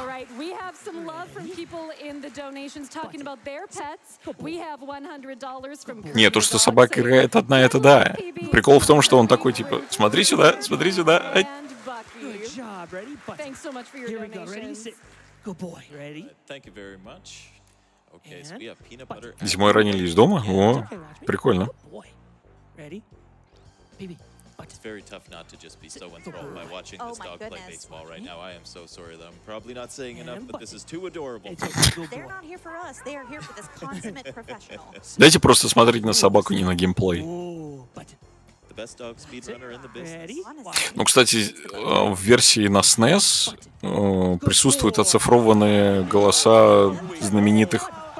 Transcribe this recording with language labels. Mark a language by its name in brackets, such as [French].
[English] All right, we have some love from people in the donations talking about their pets. We have $100 from. [Russian] Нет, то, что собака играет одна, это да. Прикол в том, что он такой типа, смотри сюда, смотри сюда. [English] Good job, ready? Thanks so much for your donations. Good boy. Ready? Thank you very much. Okay, so we have peanut butter. [Russian] Зимой ранили из дома? О, прикольно. [English] Ready? Baby. It's very tough not to just be so enthralled by watching this dog play baseball right now. I am so sorry that I'm probably not saying enough, but this is too adorable. They're not here for us. They are here for this consummate professional. [Russian] Дайте просто смотреть на собаку, не на геймплей. [English] The best dog speedrunner in the business. [Russian] Ну, кстати, в версии на SNES присутствуют оцифрованные голоса знаменитых...